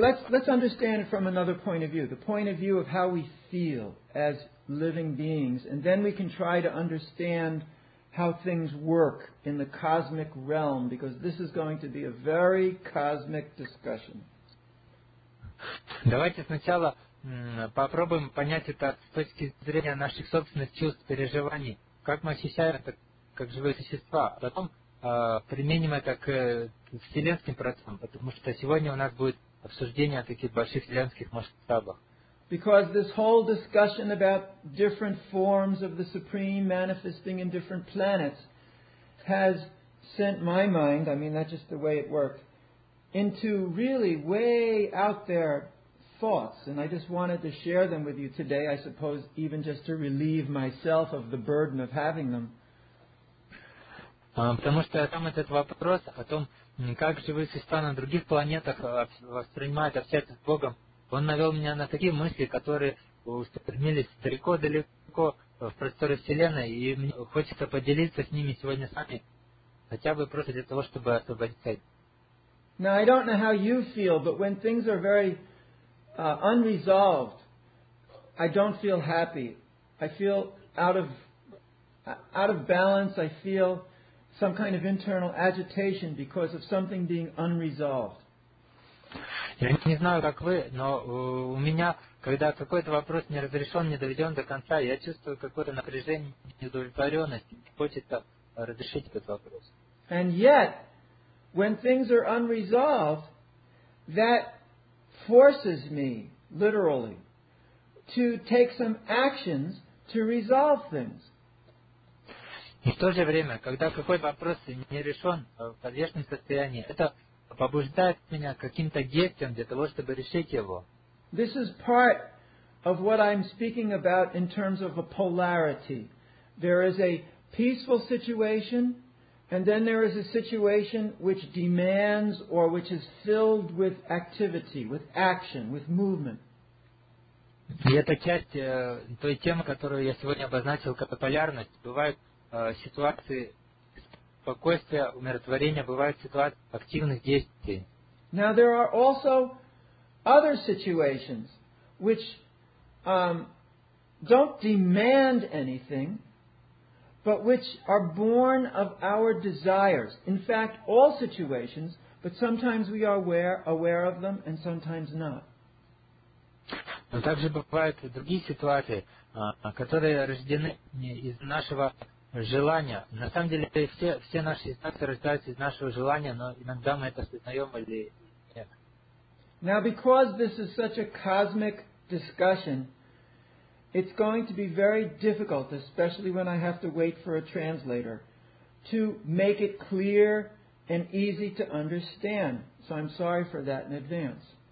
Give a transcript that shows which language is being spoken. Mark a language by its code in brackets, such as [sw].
[en] Let's understand it from another point of view, the point of view of how we feel as living beings, and then we can try to understand how things work in the cosmic realm, because this is going to be a very cosmic discussion. [ru] Давайте сначала попробуем понять это с точки зрения наших собственных чувств, переживаний, как мы ощущаем это как живые существа, а потом применим это к вселенским процессам, потому что сегодня у нас будет обсуждение о таких больших вселенских масштабах. [en] Because this whole discussion about different forms of the Supreme manifesting in different planets has sent my mind, I mean that's just the way it worked, into really way out there thoughts. And I just wanted to share them with you today, I suppose, even just to relieve myself of the burden of having them. [ru] Потому что там этот вопрос о том, как живые существа на других планетах воспринимают общение с Богом, он навел меня на такие мысли, которые устремились далеко-далеко в просторы Вселенной, и мне хочется поделиться с ними сегодня с вами, хотя бы просто для того, чтобы освободиться. [en] Now, I don't know how you feel, but when things are very unresolved, I don't feel happy. I feel out of balance, I feel some kind of internal agitation because of something being unresolved. [ru] Я не знаю, как вы, но у меня, когда какой-то вопрос не разрешен, не доведен до конца, я чувствую какое-то напряжение, неудовлетворенность, хочется разрешить этот вопрос. [en] And yet, when things are unresolved, that forces me, literally, to take some actions to resolve things. [ru] И в то же время, когда какой-то вопрос не решен в подвешенном состоянии, это побуждает меня каким-то действием для того, чтобы решить его. [en] This is part of what I'm speaking about in terms of a polarity. There is a peaceful situation And then there is a situation which demands or which is filled with activity, with action, with movement. [ru] И это часть той темы, которую я сегодня обозначил как полярность. Бывают ситуации спокойствия, умиротворения, бывают ситуации активных действий. [en] Now there are also other situations which don't demand anything, but which are born of our desires. In fact, all situations, but sometimes we are aware of them and sometimes not. [ru] Но также бывают другие ситуации, которые рождены из нашего желания. На самом деле все наши ситуации рождаются из нашего желания, но иногда мы это осознаем или нет. [en] Now, because this is such a cosmic discussion, it's going to be very difficult, especially when I have to wait for a translator, to make it clear and easy to understand. So I'm sorry for that in advance.